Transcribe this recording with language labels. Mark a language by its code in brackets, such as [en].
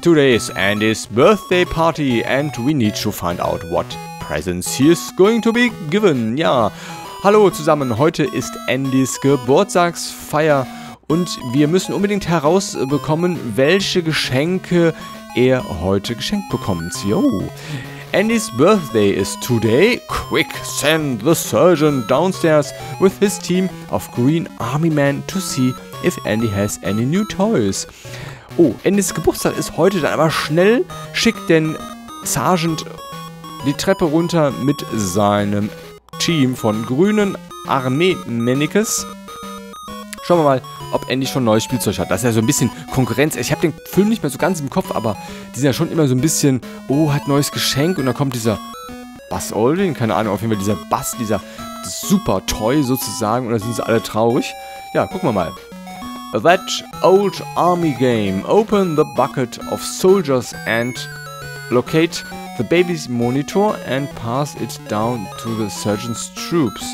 [en] Today is Andy's birthday party and we need to find out what presents he is going to be given. [de] Ja. Hallo zusammen, heute ist Andys Geburtstagsfeier und wir müssen unbedingt herausbekommen, welche Geschenke er heute geschenkt bekommt. [en] Yo. Andy's birthday is today. Quick, send the surgeon downstairs with his team of green army men to see if Andy has any new toys. [de] Oh, Andys Geburtstag ist heute, dann aber schnell schickt den Sergeant die Treppe runter mit seinem Team von grünen Armee-Männikes. Schauen wir mal, ob Andy schon neues Spielzeug hat. Das ist ja so ein bisschen Konkurrenz. Ich habe den Film nicht mehr so ganz im Kopf, aber die sind ja schon immer so ein bisschen, oh, hat neues Geschenk. Und dann kommt dieser Buzz Aldrin, keine Ahnung, auf jeden Fall dieser Buzz, dieser super Toy sozusagen. Und dann sind sie alle traurig. Ja, gucken wir mal. [en] That old army game. Open the bucket of soldiers and locate the baby's monitor and pass it down to the surgeon's troops.